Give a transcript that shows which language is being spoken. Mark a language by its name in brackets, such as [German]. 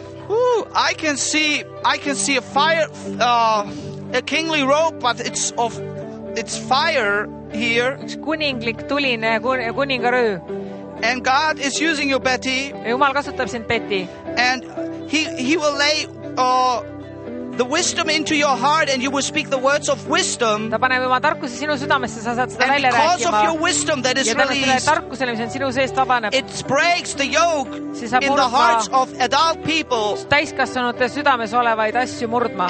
[English] Ooh, I can see a fire, a kingly robe, but it's fire here. [Estonian] Üks kuninglik tuline kuningarõõ. [English] And God is using you, Betty. [Estonian] Jumal kasutab sind, Betty. [English] And he will lay the wisdom into your heart and you will speak the words of wisdom. [Estonian] Ta paneb oma tarkuse sinu südamesse, sa saad seda [English] and [Estonian] välja [English] because [Estonian] rääkima. [English] Of your wisdom that is [Estonian] ja [English] released, [Estonian] mis on sinu seest vabaneb, [English] it breaks the yoke in the hearts of adult people. [Estonian] Täiskasvanute südames olevaid asju murdma.